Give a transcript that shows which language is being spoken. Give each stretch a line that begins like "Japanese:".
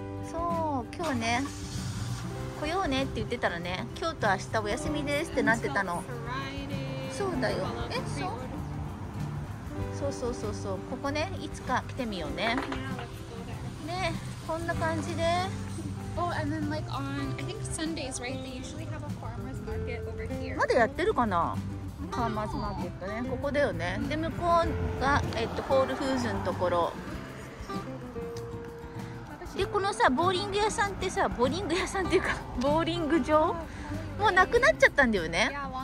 Japanese: そう、今日ね、来ようねって言ってたらね、今日と明日お休みですってなってたの。そうだよ。え、そう？そうそうそうそう。ここね、いつか来てみようね。ね、こんな感じで。
English: Oh, and then like on, I think Sundays, right? They usually have a farmer's market over here.
Japanese: まだやってるかな？ファーマーズマーケットね、ここだよね。で、向こうが、ホールフーズのところで、このさ、ボーリング屋さんってさ、ボーリング屋さんっていうか、ボーリング場もうなくなっちゃったんだよね。